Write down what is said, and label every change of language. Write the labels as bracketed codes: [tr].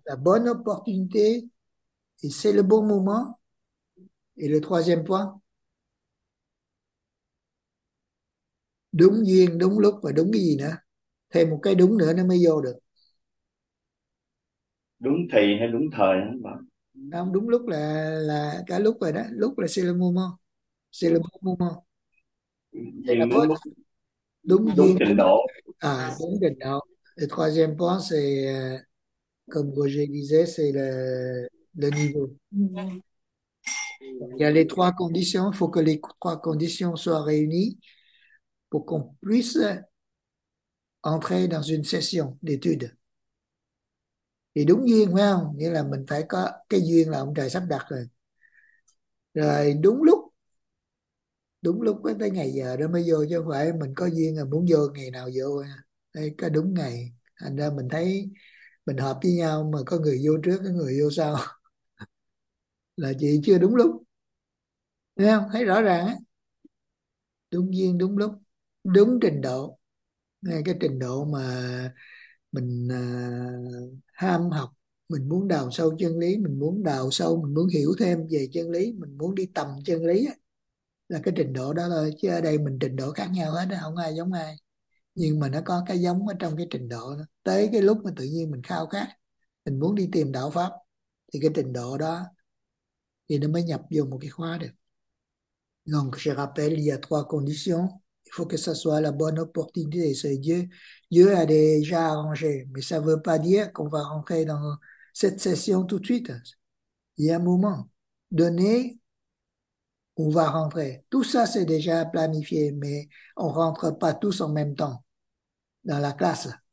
[fr] La bonne opportunité, et c'est le bon moment. Et le troisième point. [vi] Đúng duyên, đúng lúc và đúng cái gì nữa? Thêm một cái đúng nữa nó mới vô được. Đúng thì hay đúng thời hả bạn? Không, đúng lúc là cả lúc rồi đó, lúc là [fr] c'est le moment, c'est le bon moment, c'est la [vi] Đúng [fr] bonne, [vi] lúc, đúng duyên, trình độ. đúng trình độ. [fr] Le troisième point c'est comme Roger disait, c'est le niveau. Il y a les trois conditions, il faut que les trois conditions soient réunies pour qu'on puisse entrer dans une session d'études. [vi] Thì đúng duyên phải không? Nghĩa là mình phải có cái duyên là ông trời sắp đặt rồi. Rồi đúng lúc với tới ngày giờ đó mới vô, chứ không phải mình có duyên là muốn vô ngày nào vô. Đây có đúng ngày. Thành ra mình thấy mình hợp với nhau mà có người vô trước, có người vô sau. Là chị chưa đúng lúc. Thấy không? Thấy rõ ràng á. Đúng duyên, đúng lúc. Đúng trình độ. Ngay cái trình độ mà mình ham học, mình muốn đào sâu chân lý, mình muốn đào sâu, mình muốn hiểu thêm về chân lý, mình muốn đi tầm chân lý ấy, là cái trình độ đó thôi. Chứ ở đây mình trình độ khác nhau hết, không ai giống ai, nhưng mà nó có cái giống ở trong cái trình độ đó. Tới cái lúc mà tự nhiên mình khao khát, mình muốn đi tìm đạo pháp, thì cái trình độ đó thì nó mới nhập vô một cái khóa được. [fr] Donc je rappelle, il y a trois conditions. Il faut que ça soit la bonne opportunité. C'est Dieu. Dieu a déjà arrangé. Mais ça ne veut pas dire qu'on va rentrer dans cette session tout de suite. Il y a un moment donné où on va rentrer. Tout ça, c'est déjà planifié, mais on ne rentre pas tous en même temps dans la classe.